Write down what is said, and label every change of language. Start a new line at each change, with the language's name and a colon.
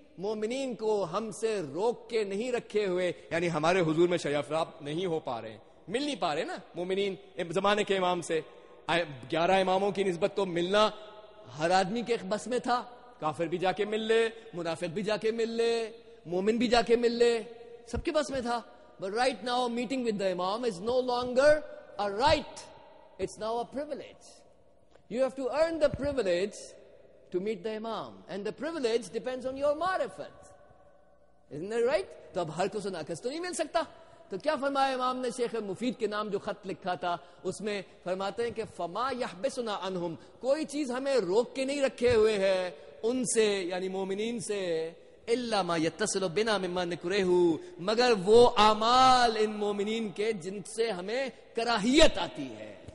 Urdu: مومنین کو ہم سے روک کے نہیں رکھے ہوئے, یعنی ہمارے حضور میں شرفیاب نہیں ہو پا رہے, مل نہیں پا رہے نا مومنین زمانے کے امام سے. 11 اماموں کی نسبت تو ملنا ہر آدمی کے بس میں تھا, کافر بھی جا کے مل لے, منافق بھی جا کے مل لے, مومن بھی جا کے مل لے, سب کے بس میں تھا.
English: But right now meeting with the imam is no longer a right, it's now a privilege. You have to earn the privilege to meet the imam, and the privilege depends on your marifat, isn't that right?
Urdu: تو اب ہر کو سنا کس تو نہیں مل سکتا. تو کیا فرمایا امام نے شیخ مفید کے نام جو خط لکھا تھا, اس میں فرماتے ہیں کہ
Arabic: فما یحبسنا عنہم,
Urdu: کوئی چیز ہمیں روک کے نہیں رکھے ہوئے ہے ان سے یعنی مومنین سے,
Arabic: الا ما یتصل بنا مما نکرہ,
Urdu: مگر وہ اعمال ان مومنین کے جن سے ہمیں کراہیت آتی ہے,